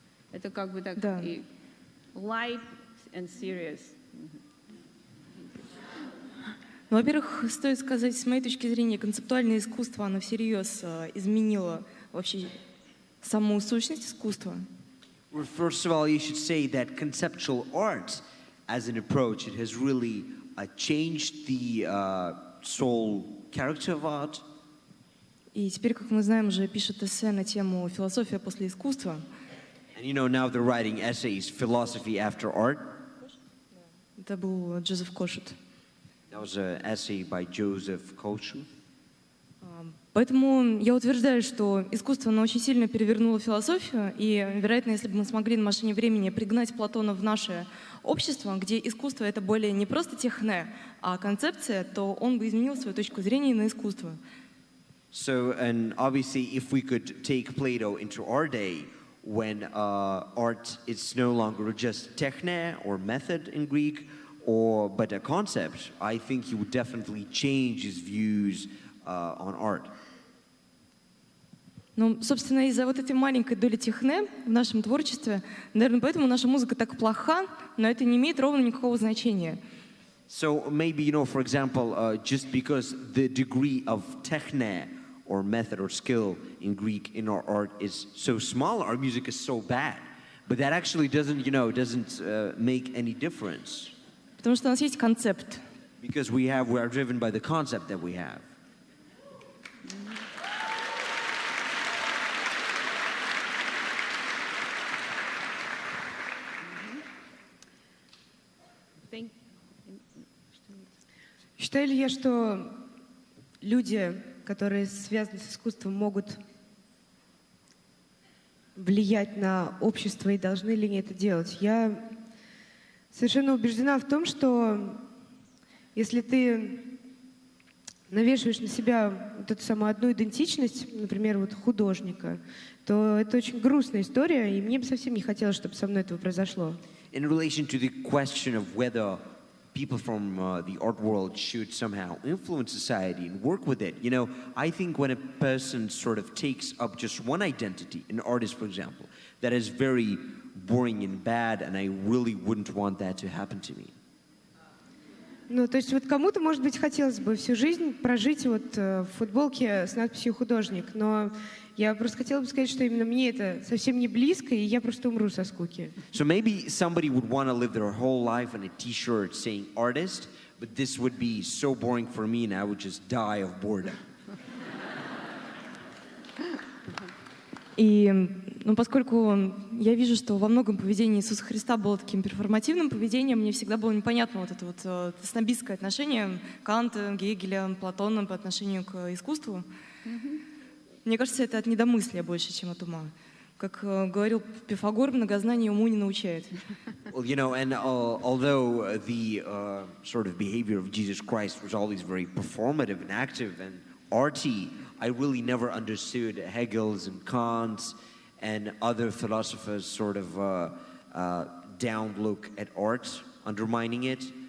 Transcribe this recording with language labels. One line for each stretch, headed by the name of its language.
Russian: Это как бы так... Да.
English: И light and serious.
Russian: Ну, во-первых, стоит сказать, с моей точки зрения, концептуальное искусство, оно всерьез изменило вообще саму сущность искусства.
English: Well, first of all, you should say that conceptual art as an approach, it has really changed the soul character of art.
Russian: И теперь, как мы знаем, уже пишет эссе на тему «Философия после искусства».
English: And you know, now they're writing essays, «Philosophy after art».
Russian: Это был Joseph Kosuth.
English: That was an essay by Joseph Kosuth.
Russian: Поэтому я утверждаю, что искусство, оно очень сильно перевернуло философию, и, вероятно, если бы мы смогли на машине времени пригнать Платона в наше общество, где искусство — это более не просто техне, а концепция, то он бы изменил свою точку зрения на искусство.
English: So, and obviously, if we could take Plato into our day, when art is no longer just techne or method in Greek, but a concept, I think he would definitely change his views on art.
Russian: Ну, собственно, из-за вот этой маленькой доли техне в нашем творчестве, наверное, поэтому наша музыка так плоха, но это не имеет ровно никакого значения.
English: So maybe, you know, for example, just because the degree of techne or method or skill in Greek in our art is so small, our music is so bad. But that actually doesn't, you know, doesn't make any difference.
Russian: Потому что у нас есть концепт.
English: Because we are driven by the concept that we have.
Russian: Считаю ли я, что люди, которые связаны с искусством, могут влиять на общество и должны ли они это делать? Я совершенно убеждена в том, что если ты навешиваешь на себя вот эту самую одну идентичность, например, вот художника, то это очень грустная история, и мне бы совсем не хотелось, чтобы со мной этого произошло.
English: In relation to the question of whether people from the art world should somehow influence society and work with it. You know, I think when a person sort of takes up just one identity, an artist, for example, that is very boring and bad, and I really wouldn't want that to happen to me.
Russian: Ну, то есть вот кому-то, может быть, хотелось бы всю жизнь прожить вот в футболке с надписью «художник», но я просто хотела бы сказать, что именно мне это совсем не близко, и я просто умру со скуки.
English: So maybe somebody would want to live their whole life in a t-shirt saying «artist», but this would be so boring for me, and I would just die of boredom.
Russian: И, ну, поскольку я вижу, что во многом поведение Иисуса Христа было таким перформативным поведением, мне всегда было непонятно вот это вот снобистское отношение Канта, Гегеля, Платона по отношению к искусству. Mm-hmm. Мне кажется, это от недомыслия больше, чем от ума. Как говорил Пифагор, многознание уму не научает.
English: Well, you know, and although the sort of behavior of Jesus Christ was always very performative and active and arty, I really never understood Hegel's and Kant's and other philosophers' sort of down look at art, undermining it.